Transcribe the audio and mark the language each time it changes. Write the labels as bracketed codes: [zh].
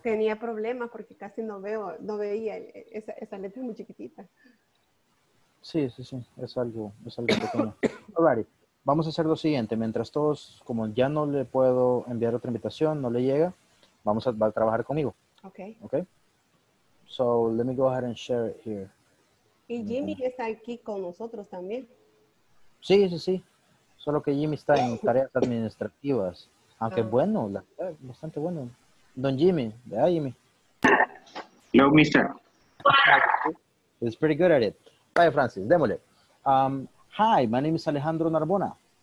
[es] Tenía problemas porque casi no veía, esa letra es muy chiquitita. Sí, es algo pequeño. Alrighty, vamos a hacer lo siguiente, mientras todos, como ya no le puedo enviar otra invitación, no le llega, va a trabajar conmigo. Okay. [en] So, let me go ahead and share it here. [es] Y Jimmy está aquí con nosotros también. Sí, solo que Jimmy está en tareas administrativas, aunque bueno, bastante bueno. Don Jimmy, yeah, Jimmy. [en] Hello, mister. He's pretty good at it. Bye, Francis. Démole. Hi, my name is Alejandro Narbona.